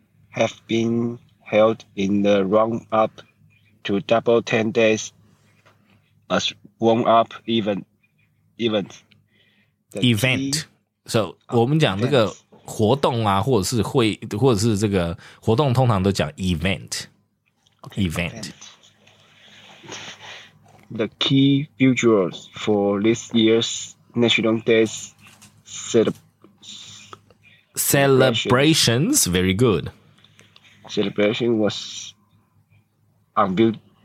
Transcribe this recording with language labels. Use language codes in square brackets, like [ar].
[en] have been held in the run up to Double 10 days as warm up event [zh] key, so 我们讲这个活动啊或者是会或者是这个活动通常都讲 event [en] okay, event the key features for this year's National Day's celebrations, very good. celebration was unveiled.